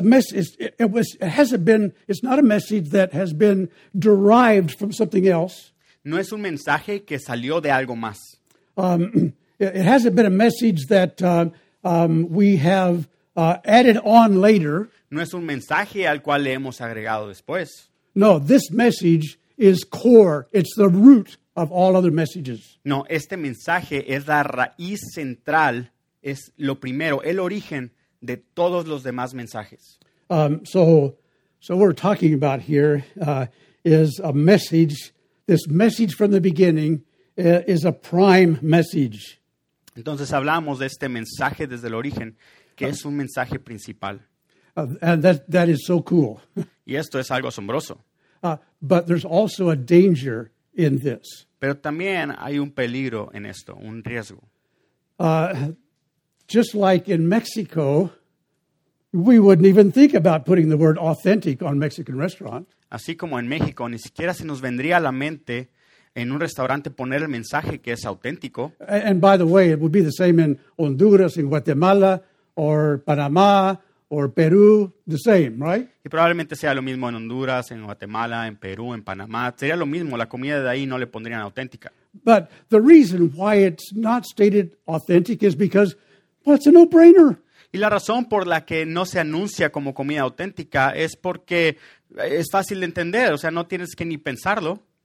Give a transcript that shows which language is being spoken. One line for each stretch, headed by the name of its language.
English: It's not a message that has been derived from something else.
Spanish: No es un mensaje que salió de algo más.
English: It hasn't been a message that we have added on later.
Spanish: No es un mensaje al cual le hemos agregado después.
English: No, this message is core. It's the root of all other messages.
Spanish: No, este mensaje es la raíz central, es lo primero, el origen de todos los demás mensajes.
English: So what we're talking about here is a message. This message from the beginning is a prime message.
Spanish: Entonces hablamos de este mensaje desde el origen, que es un mensaje principal.
English: And that is so cool.
Spanish: Y esto es algo asombroso.
English: But there's also a danger in this.
Spanish: Pero también hay un peligro en esto, un riesgo.
English: Just like in Mexico, we wouldn't even think about putting the word authentic on a Mexican restaurant.
Spanish: Así como en México, ni siquiera se nos vendría a la mente en un restaurante poner el mensaje que es auténtico.
English: And by the way, it would be the same in Honduras, in Guatemala, or Panamá, or Perú, the same, right?
Spanish: Y probablemente sea lo mismo en Honduras, en Guatemala, en Perú, en Panamá. Sería lo mismo, la comida de ahí no le pondrían auténtica.
English: But the reason why it's not stated authentic is because, well, it's a no-brainer.
Spanish: Y la razón por la que no se anuncia como comida auténtica es porque es fácil de entender, o sea, no tienes que ni pensarlo.